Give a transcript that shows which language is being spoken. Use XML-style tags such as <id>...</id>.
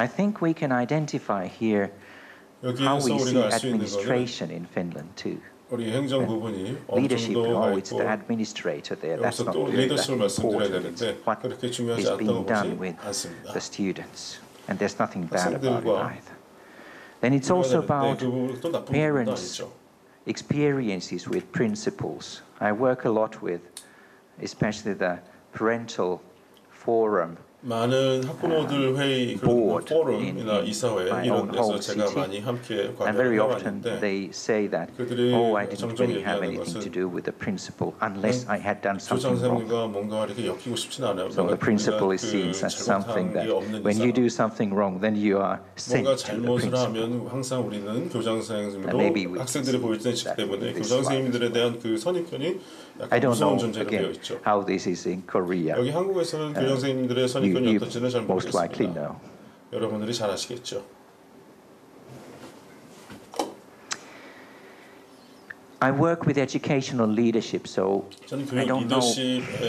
<en>I think we can identify here how we see administration in Finland too.</en> <ko>우리 행정 부분이 어느 정도 있고 여기서 또 리더십을 말씀드려야 되는데 그렇게 중요하지 않다고 보지 않습니다. 학생들과</ko> <en>Then it's also about parents' experiences with principals. I work a lot with, especially the parental forum.</en> <ko>많은 학부모들 회의 그런 포럼이나 이사회 이런 데서 제가 많이 함께 관여를 하는데 그들이 정정 얘기하는 것은 교장선생님과 뭔가 이렇게 엮이고 싶진 않아요.</ko> <en>So the principal is seen as something that when you do something wrong, then you are sent to the principal.</en> <ko>뭔가 잘못을 하면 항상 우리는 교장선생님도 학생들이 보일 때 있기 때문에 교장선생님들에 대한 그 선입견이</ko> <en>I don't know again how this is in Korea.</en> <ko>여기 한국에서는 교장선생님들의 선입견이 어떤지는 잘 모르겠습니다. 여러분들이 잘 아시겠죠.</ko> <en>I work with educational leadership, so I don't know.</en>